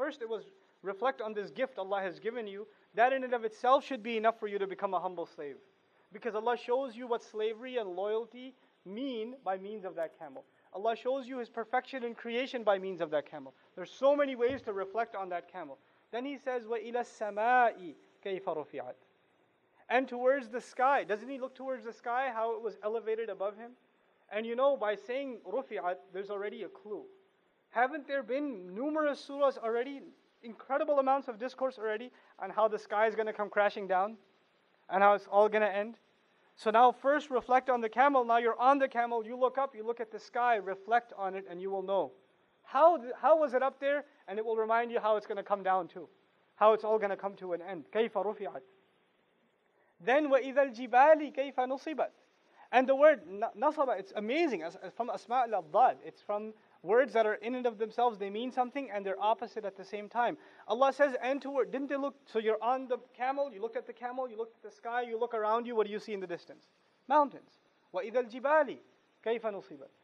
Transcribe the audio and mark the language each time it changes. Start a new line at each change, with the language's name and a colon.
English: First, it was reflect on this gift Allah has given you. That in and of itself should be enough for you to become a humble slave. Because Allah shows you what slavery and loyalty mean by means of that camel. Allah shows you His perfection in creation by means of that camel. There's so many ways to reflect on that camel. Then He says,
Arabic: وَإِلَى السَّمَاءِ كَيْفَ رُفِعَتْ.
English: And towards the sky. Doesn't He look towards the sky, how it was elevated above Him? And you know, by saying رُفِعَتْ, there's already a clue. Haven't there been numerous surahs already, incredible amounts of discourse already, on how the sky is going to come crashing down, and how it's all going to end? So now first reflect on the camel. Now you're on the camel, you look up, you look at the sky, reflect on it, and you will know. How was it up there? And it will remind you how it's going to come down too. How it's all going to come to an end.
Arabic: كَيْفَ رُفِعَتْ.
English: Then
Arabic: وَإِذَا الْجِبَالِ كَيْفَ نُصِبَتْ.
English: And the word nasaba, it's amazing. It's from asma'il al-dhad. It's from words that are in and of themselves. They mean something and they're opposite at the same time. Allah says, and toward, didn't they look? So you're on the camel, you looked at the camel, you looked at the sky, you look around you, what do you see in the distance? Mountains.
Arabic: وَإِذَا الْجِبَالِ كَيْفَ نُصِبَتْ.